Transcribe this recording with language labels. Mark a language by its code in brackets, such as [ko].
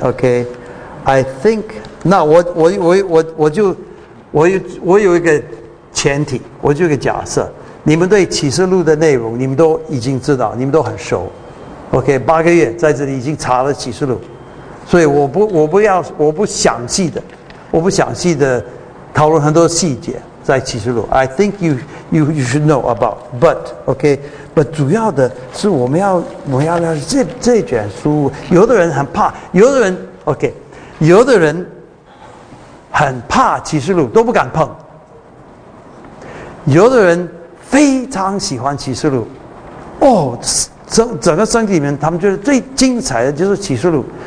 [zh] OK， [en] I think [zh] 那我有一个前提，我就有一个假设，你们对启示录的内容你们都已经知道，你们都很熟。 OK， 八个月在这里已经查了启示录，所以我不详细的讨论很多细节在启示录。 [en] I think you should know about， but OK。 [zh] But 主要的是我们要了解这卷书。有的人很怕，有的人 OK， 有的人很怕启示录都不敢碰，有的人非常喜欢启示录，哦，整个圣经里面他们觉得最精彩的就是启示录，